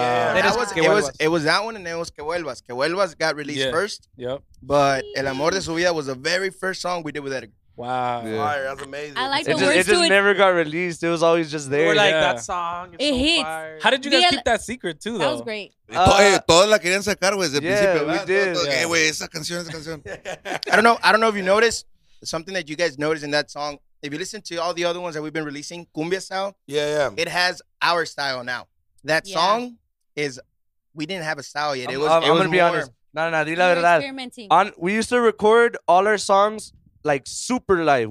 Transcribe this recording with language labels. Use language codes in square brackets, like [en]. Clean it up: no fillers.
[en] Yeah. It was that one and then it was Que Vuelvas. Que Vuelvas got released first. Yep. But El Amor de su Vida was the very first song we did with Edgar. Wow. Yeah. Fire, that's amazing. I like it. Never got released. It was always just there. We're like, that song is so hits. Fire. How did you guys keep that secret, too, though? That was great. [es] Todos la querían sacar, güey, desde principio. [en] We did. [es] Hey, güey, esa canción, esa canción. [en] I don't know if you noticed something that you guys noticed in that song. If you listen to all the other ones that we've been releasing, Cumbia style, yeah. It has our style now. That song is, we didn't have a style yet. I'm going to be honest. [es] No, di la verdad. [en] We used to record all our songs like super live.